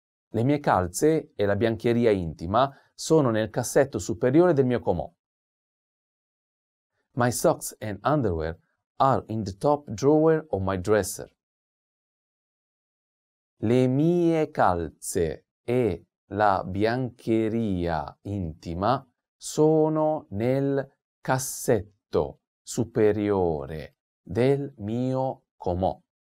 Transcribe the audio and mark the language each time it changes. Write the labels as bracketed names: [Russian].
[Italian] Le mie calze e la biancheria intima sono nel cassetto superiore del mio comò. [English] My socks and underwear are in the top drawer of my dresser. [Italian] Le mie calze e la biancheria intima sono nel cassetto superiore del mio comò.